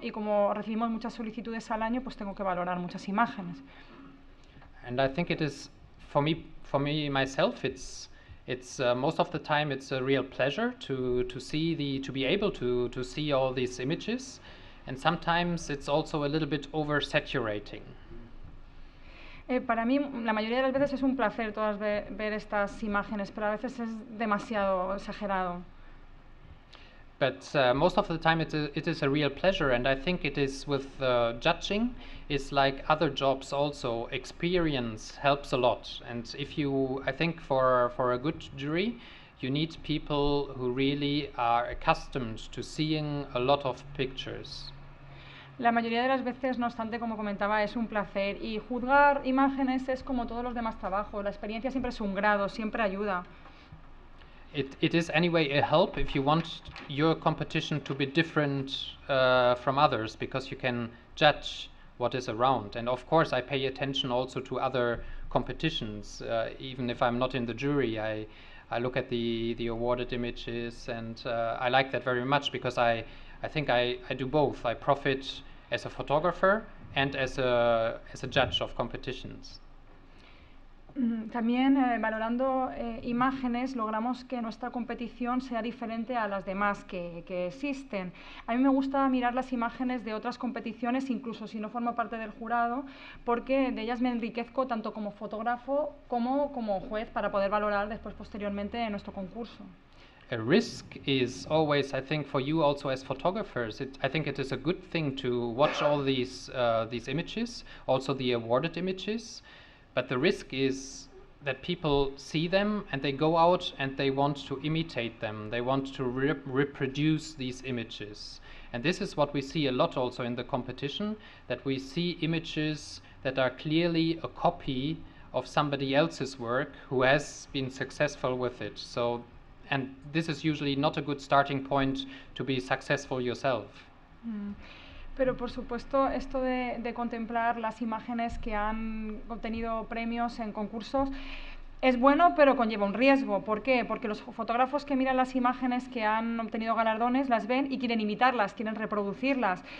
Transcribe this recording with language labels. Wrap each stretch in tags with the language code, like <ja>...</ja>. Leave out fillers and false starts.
<es>Y como recibimos muchas solicitudes al año, pues tengo que valorar muchas imágenes.</es> <en>And I think it is, for me myself, most of the time it's a real pleasure to be able to see all these images, and sometimes it's also a little bit oversaturating.</en> <es>Para mí la mayoría de las veces es un placer todas ver estas imágenes, pero a veces es demasiado exagerado.</es> <en>But most of the time it is a real pleasure, and I think it is with judging, it's like other jobs also, experience helps a lot. And I think for a good jury, you need people who really are accustomed to seeing a lot of pictures. La mayoría de las veces, no obstante, como comentaba, es un placer, y juzgar imágenes es como todos los demás trabajos, la experiencia siempre es un grado, siempre ayuda. It is anyway a help if you want your competition to be different from others, because you can judge what is around. And of course I pay attention also to other competitions, even if I'm not in the jury, I look at the awarded images, and I like that very much because I think I do both. I profit as a photographer and as a judge of competitions.</en> <es>También valorando imágenes logramos que nuestra competición sea diferente a las demás que existen. A mí me gusta mirar las imágenes de otras competiciones, incluso si no formo parte del jurado, porque de ellas me enriquezco tanto como fotógrafo como como juez para poder valorar después posteriormente nuestro concurso.</es> <en>A risk is always, I think, for you also as photographers, I think it is a good thing to watch all these images, also the awarded images. But the risk is that people see them and they go out and they want to imitate them. They want to reproduce these images. And this is what we see a lot also in the competition, that we see images that are clearly a copy of somebody else's work who has been successful with it. So, and this is usually not a good starting point to be successful yourself.</en> <es>Pero por supuesto, esto de contemplar las imágenes que han obtenido premios en concursos es bueno, pero conlleva un riesgo. ¿Por qué? Porque los fotógrafos que miran las imágenes que han obtenido galardones las ven y quieren imitarlas, quieren reproducirlas.</es>